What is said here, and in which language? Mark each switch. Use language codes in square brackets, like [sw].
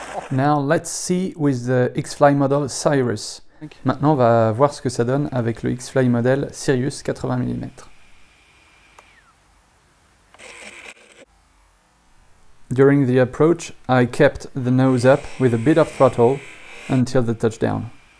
[en] Now let's see with the X-Fly model Cirrus. [fr] Maintenant on va voir ce que ça donne avec le X-Fly model Cirrus 80 mm. [en] During the approach, I kept the nose up with a bit of throttle until the touchdown.